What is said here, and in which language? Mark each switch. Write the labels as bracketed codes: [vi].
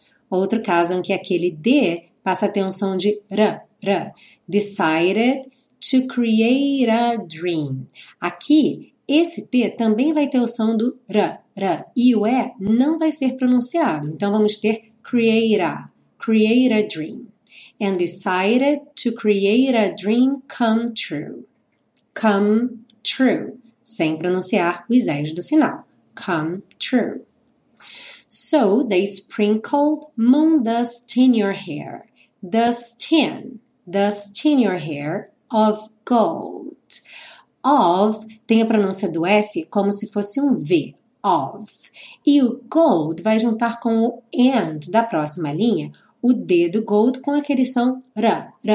[pt] Outro caso em que aquele D passa a ter um som de R. [en] Decided to create a dream. [pt] Aqui, esse T também vai ter o som do R. E o E não vai ser pronunciado. Então, vamos ter [en] create a dream. And decided to create a dream come true. Come true. [pt] Sem pronunciar os E's do final. [en] Come true. So they sprinkled moon dust in your hair. Dust in your hair of gold. [pt] Of tem a pronúncia do F como se fosse um V. Of. E o gold vai juntar com o and da próxima linha, o D do gold com aquele som R.